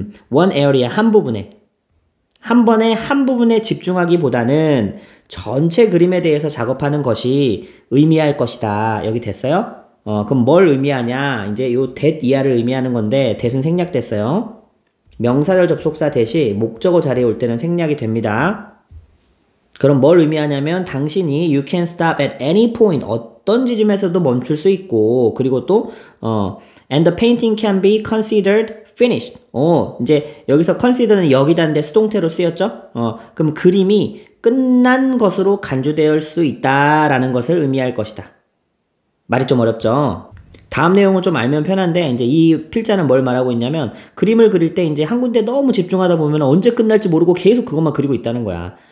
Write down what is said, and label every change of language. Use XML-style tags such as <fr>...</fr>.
<en>One area,</en> <ko>한 부분에. 한 번에, 한 부분에 집중하기보다는, 전체 그림에 대해서 작업하는 것이 의미할 것이다. 여기 됐어요? 그럼 뭘 의미하냐? 이제 요 that 이하를 의미하는 건데, that은 생략됐어요. 명사절 접속사 대시 목적어 자리에 올 때는 생략이 됩니다. 그럼 뭘 의미하냐면, 당신이</ko> <en>you can stop at any point,</en> <ko>어떤 지점에서도 멈출 수 있고, 그리고 또,</ko> <en>and the painting can be considered finished.</en> <ko>이제 여기서 consider는 여기다인데 수동태로 쓰였죠? 그럼 그림이 끝난 것으로 간주될 수 있다라는 것을 의미할 것이다. 말이 좀 어렵죠? 다음 내용은 좀 알면 편한데, 이제 이 필자는 뭘 말하고 있냐면, 그림을 그릴 때 이제 한 군데 너무 집중하다 보면 언제 끝날지 모르고 계속 그것만 그리고 있다는 거야.</ko>